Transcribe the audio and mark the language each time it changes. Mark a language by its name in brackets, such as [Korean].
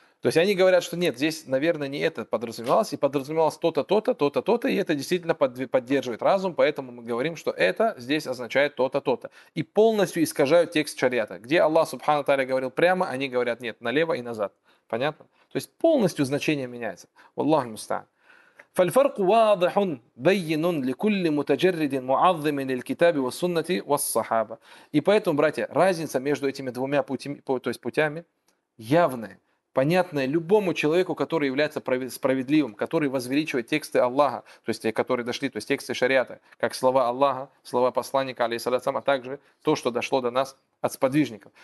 [Russian] То есть, они говорят, что нет, здесь, наверное, не это подразумевалось. И подразумевалось то-то, то-то, то-то, то-то. И это действительно поддерживает разум. Поэтому мы говорим, что это здесь означает то-то, то-то. И полностью искажают текст шариата. Где Аллах, субхану тааля, говорил прямо, они говорят, нет, налево и назад. Понятно? То есть, полностью значение меняется. Валлаху мустаан. [Arabic] فالفرق واضح بين لكل متجرد معظم للكتاب والسنة والصحابة. [Russian] И поэтому, братья, разница между этими двумя путями явная, понятная любому человеку, который является справедливым, который возвеличивает тексты Аллаха, то есть те, которые дошли, то есть тексты шариата, как слова Аллаха, слова посланника, алейхиссалям, а также то, что дошло до нас от сподвижников.